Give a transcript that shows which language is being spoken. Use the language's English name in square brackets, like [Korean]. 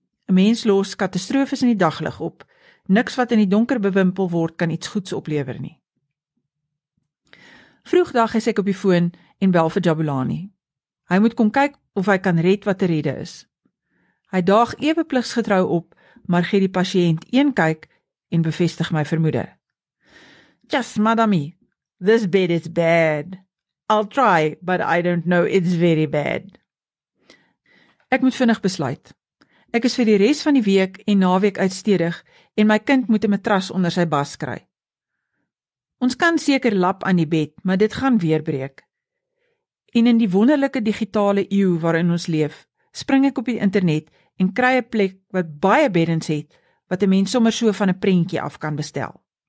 [Afrikaans] 'n Mens los katastrofes in die daglig op. Niks wat in die donker bewimpel word kan iets goeds oplewer nie. Vroegdag is ek op die foon en bel vir Jabulani. Hy moet kom kyk of hy kan red wat te redde is. Hy daag ewe pligsgetrou op, maar gee die pasiënt 1 kyk en bevestig my vermoede. [English] Just, madame, this bed is bad. I'll try, but I don't know it's very bad. [Afrikaans] Ek moet vinnig besluit. Ek is vir die res van die week en naweek uitstedig en my kind moet 'n matras onder sy bas kry. Ons kan seker lap aan die bed, maar dit gaan weer breek. En in die wonderlike digitale eeu waarin ons leef, spring ek op die internet en kry 'n plek wat baie beddens het, wat 'n mens sommer so van 'n prentjie af kan bestel.